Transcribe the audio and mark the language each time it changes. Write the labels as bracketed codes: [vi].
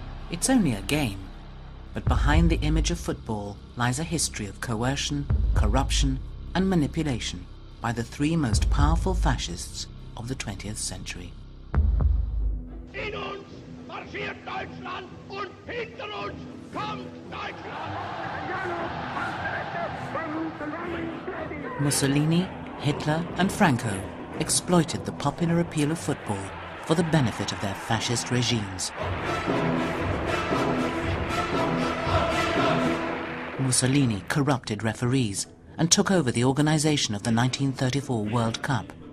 [en] It's only a game, but behind the image of football lies a history of coercion, corruption, and manipulation by the three most powerful fascists of the 20th century. [de] In uns marschiert Deutschland und hinter uns kommt Deutschland! [en] Mussolini, Hitler, and Franco exploited the popular appeal of football for the benefit of their fascist regimes. Mussolini corrupted referees and took over the organization of the 1934 World Cup.